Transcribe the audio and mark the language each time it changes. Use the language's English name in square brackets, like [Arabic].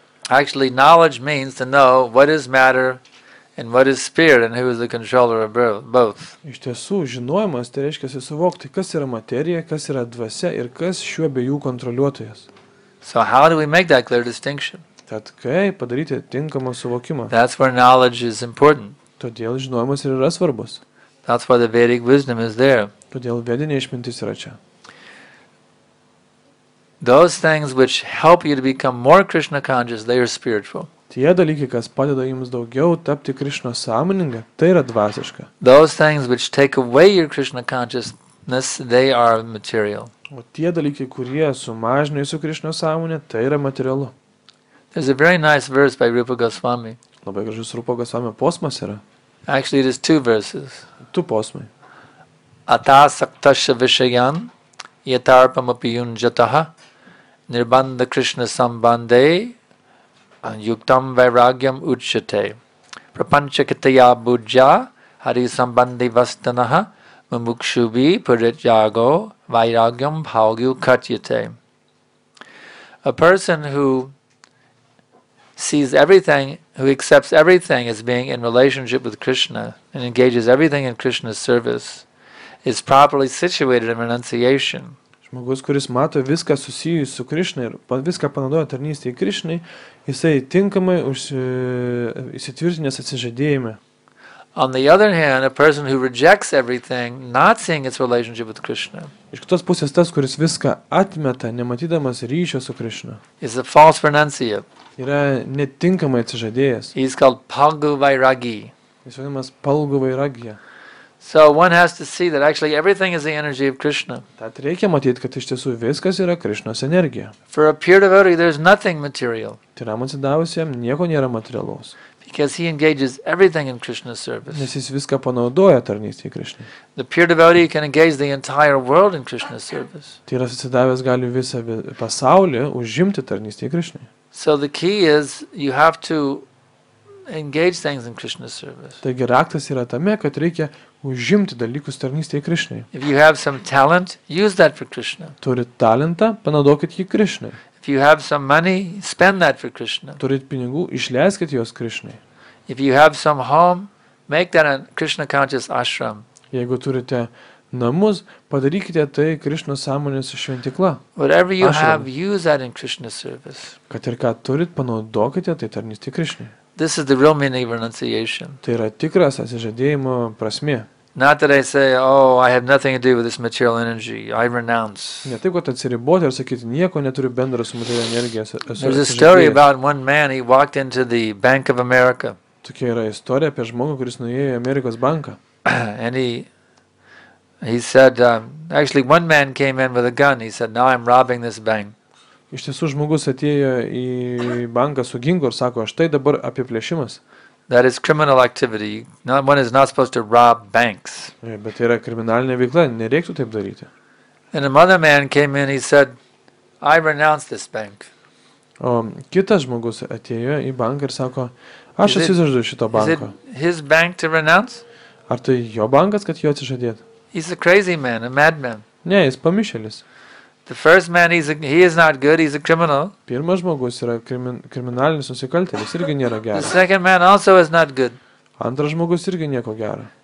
[English] Actually, knowledge means to know what is matter and what is spirit and who is the controller of both. [Lithuanian] Iš tiesų, žinojimas tai reiškia suvokti, kas yra materija, kas yra dvasia ir kas šiuo abiejų kontroliuotojas. [English] So how do we make that clear distinction? [Lithuanian] Tad kaip padaryti tinkamą suvokimą? [English] That's where knowledge is important. [Lithuanian] Todėl žinojimas ir yra svarbus. [English] That's why the Vedic wisdom is there. [Lithuanian] Todėl vedinė išmintis yra čia. [English] Those things which help you to become more Krishna conscious, they are spiritual. [Lithuanian] Tie dalykai, kas padeda jums daugiau tapti Krishna sąmoninga, tai yra dvasiška. [English] Those things which take away your Krishna consciousness, they are material. [Lithuanian] O tie dalykai, kurie sumažina jūsų Krishna sąmonę, tai yra materialu. [English] There's a very nice verse by Rupa Goswami. [Lithuanian] Labai gražus Rupa Goswami posmas yra. [English] Actually, it is two verses. [Lithuanian] Du posmai. [Sanskrit] Atasaktasya vishayan yatarpam apiyunjataha nirbandha krishna sambande yuktam vairagyam uchyate prapancha kataya bujja hari sambandhi vastanaha mumukshubi purityago vairagyam bhagyu kachyate. [English] A person who sees everything, who accepts everything as being in relationship with Krishna and engages everything in Krishna's service, is properly situated in renunciation. [Lithuanian] Žmogus, kuris mato viską susijus su Krishna ir viską panaudoja tarnystėje Krishnai, jisai tinkamai įsitvirtinęs atsižadėjime. [English] On the other hand, a person who rejects everything, not seeing its relationship with Krishna. [Lithuanian] Iš kitos pusės tas, kuris viską atmeta, nematydamas ryšio su Krishna. [English] Is a false renunciate. [Lithuanian] Yra netinkamai atsižadėjęs. [English] He is called palgu vairagi. [Lithuanian] Jis vadinamas palgu vairagi. [English] So one has to see that actually everything is the energy of Krishna. [Lithuanian] Tad reikia matyti, kad iš tiesų viskas yra Krishnos energija. [English] For a pure devotee, there is nothing material. [Lithuanian] Tyram atsidavusiam nieko nėra materialaus. [English] Because he engages everything in Krishna's service. [Lithuanian] Nes jis viską panaudoja tarnystėje Krishna. [English] The pure devotee can engage the entire world in Krishna's service. [Lithuanian] Tyras atsidavęs gali visą pasaulį užimti tarnystėje Krishna. [English] So the key is you have to engage things in Krishna's service. [Lithuanian] Taigi raktas yra tame, kad reikia užimti dalykus tarnystėje Krishnai. [English] If you have some talent, use that for Krishna. [Lithuanian] Turit talentą, panaudokit jį Krishnai. [English] If you have some money, spend that for Krishna. [Lithuanian] Turit pinigų, išleiskit juos Krishnai. [English] If you have some home, make that a Krishna conscious ashram. [Lithuanian] Jeigu turite namus, padarykite tai Krishna sąmonės šventykla. [English] Whatever you have, use that in Krishna's service. [Lithuanian] Kad ir ką turit, panaudokite tai tarnystėje Krishnai. [English] This is the real meaning of renunciation. [Lithuanian] Tai yra tikras atsižadėjimo prasmė. [English] Not that I say, oh, I have nothing to do with this material energy. I renounce. [Lithuanian] Ne taip, kad atsiriboti ir sakyti, nieko neturiu bendro su materialia energija. [English] There's a story about one man, he walked into the Bank of America. [Lithuanian] Tokia yra istorija apie žmogų, kuris nuėjo į Amerikos banką. [English] And he said, actually one man came in with a gun. He said, now I'm robbing this bank. [Lithuanian] Iš tiesų, žmogus atėjo į banką su ginklu ir sako, štai dabar apie plėšimas. [English] That is criminal activity. One is not supposed to rob banks. [Lithuanian] Bet tai yra kriminalinė veikla, nereiktų taip daryti. [English] And another man came in, he said, I renounce this bank. [Lithuanian] O kitas žmogus atėjo į banką ir sako, aš atsižadu šito banko. [English] Is it his bank to renounce? [Lithuanian] Ar tai jo bankas, kad jo atsižadėt? [English] He's a crazy man, a madman. [Lithuanian] Ne, jis pamišėlis. [English] The first man, he is not good, he's a criminal. [Lithuanian] Pirmas žmogus yra kriminalinis nusikaltėlis, irgi nėra geras. [English] The second man also is not good. [Lithuanian] Antras žmogus irgi nieko gero.